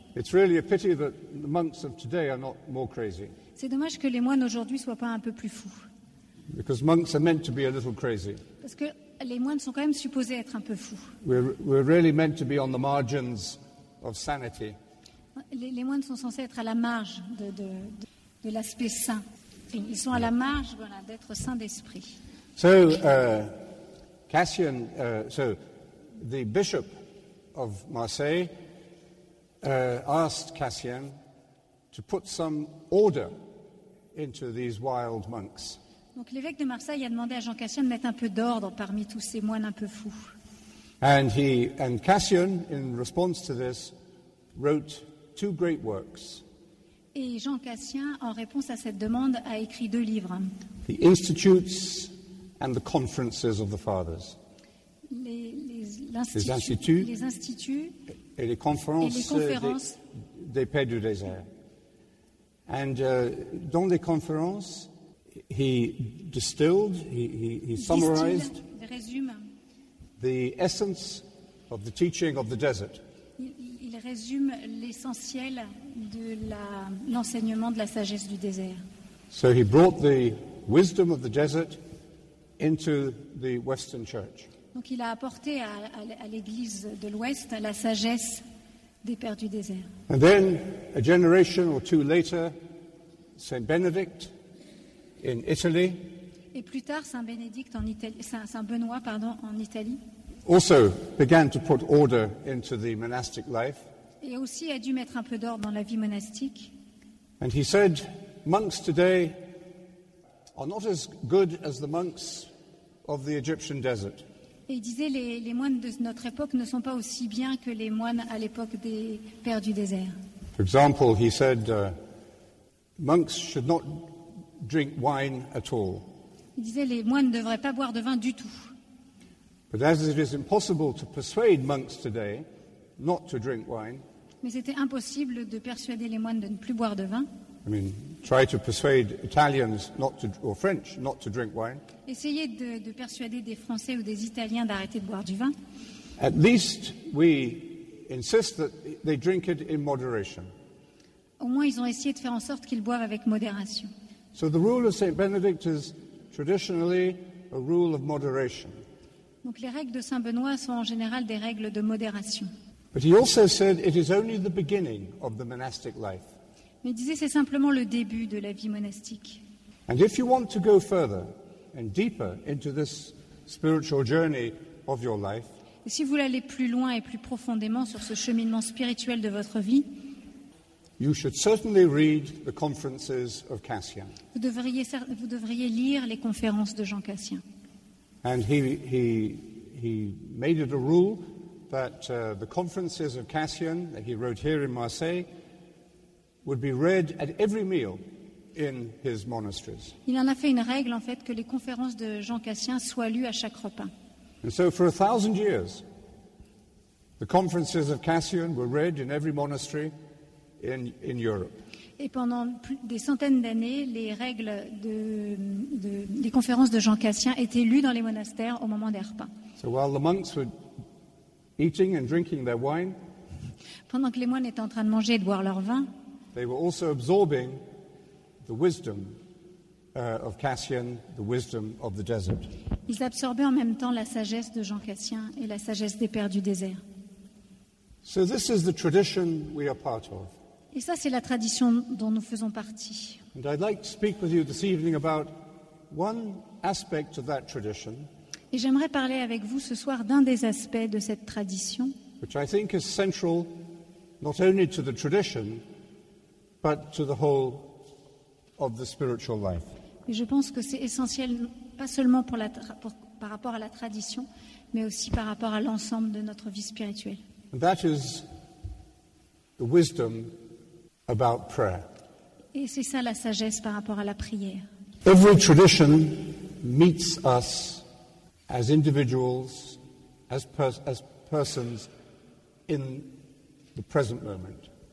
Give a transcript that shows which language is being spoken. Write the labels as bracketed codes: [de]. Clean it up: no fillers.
[en] It's really a pity that the monks of today are not more crazy. [fr] C'est dommage que les moines aujourd'hui soient pas un peu plus fous. [en] Because monks are meant to be a little crazy. [fr] Parce que les moines sont quand même supposés être un peu fous. [en] We're really meant to be on the margins of sanity. [fr] Les moines sont censés être à la marge de l'aspect saint. Ils sont à la marge d'être saints d'esprit. [en] So Cassien, the bishop of Marseille asked Cassian to put some order into these wild monks. [fr] Donc l'évêque de Marseille a demandé à Jean Cassien de mettre un peu d'ordre parmi tous ces moines un peu fous. [en] And Cassian, in response to this, wrote two great works. [fr] Et Jean Cassien, en réponse à cette demande, a écrit deux livres. [en] The Institutes and the Conferences of the Fathers. [fr] Les instituts et les conférences des Pères du Désert. [en] And [fr] dans les conférences, [en] he distilled, he summarized the essence of the teaching of the desert. [fr] Il résume l'essentiel de l'enseignement de la sagesse du désert. [en] So he brought the wisdom of the desert into the Western Church. [fr] Donc il a apporté à l'Église de l'Ouest la sagesse des Pères du désert. [en] And then a generation or two later, Saint Benedict in Italy. [fr] Et plus tard Saint Bénédicte en Italie, Saint Benoît pardon en Italie. [en] Also began to put order into the monastic life. [fr] Et aussi a dû mettre un peu d'ordre dans la vie monastique. [en] And he said, monks today are not as good as the monks of the Egyptian desert. [fr] Et il disait les moines de notre époque ne sont pas aussi bien que les moines à l'époque des Pères du désert. [en] For example, he said, monks should not drink wine at all. [fr] Il disait les moines ne devraient pas boire de vin du tout. [en] But as it is impossible to persuade monks today not to drink wine. [fr] Mais c'était impossible de persuader les moines de ne plus boire de vin. [en] I mean, try to persuade Italians not to, or French not to drink wine. [fr] Essayez de persuader des Français ou des Italiens d'arrêter de boire du vin. [en] At least we insist that they drink it in moderation. [fr] Au moins ils ont essayé de faire en sorte qu'ils boivent avec modération. [en] So the rule of Saint Benedict is traditionally a rule of moderation. [fr] Donc les règles de Saint Benoît sont en général des règles de modération. [en] But he also said it is only the beginning of the monastic life. [fr] Mais il disait c'est simplement le début de la vie monastique. [en] And if you want to go further and deeper into this spiritual journey of your life. [fr] Et si vous voulez aller plus loin et plus profondément sur ce cheminement spirituel de votre vie. [en] You should certainly read the conferences of Cassian. [fr] Vous devriez lire les conférences de Jean Cassien. [en] And he made it a rule that the conferences of Cassian that he wrote here in Marseille would be read at every meal in his monasteries. [fr] Il en a fait une règle en fait que les conférences de Jean Cassien soient lues à chaque repas. [en] And so for 1,000 years, the conferences of Cassian were read in every monastery. In Europe. [fr] Et pendant des centaines d'années, les règles des conférences de Jean Cassien étaient lues dans les monastères au moment des repas. [en] So while the monks were eating and drinking their wine, [fr] pendant que les moines étaient en train de manger et de boire leur vin, [en] they were also absorbing the wisdom of Cassian, the wisdom of the desert. [fr] Ils absorbaient en même temps la sagesse de Jean Cassien et la sagesse des pères du désert. [en] So this is the tradition we are part of. [fr] Et ça, c'est la tradition dont nous faisons partie. [en] And I'd like to speak with you this evening about one aspect of that tradition. [fr] Et j'aimerais parler avec vous ce soir d'un des aspects de cette tradition. [en] Which I think is central not only to the tradition, but to the whole of the spiritual life. [fr] Et je pense que c'est essentiel, pas seulement par rapport à la tradition, mais aussi par rapport à l'ensemble de notre vie spirituelle. [en] And that is the wisdom about prayer. [fr] Et c'est ça la sagesse par rapport à la prière. [en] Every tradition meets us as individuals, as persons in the present moment.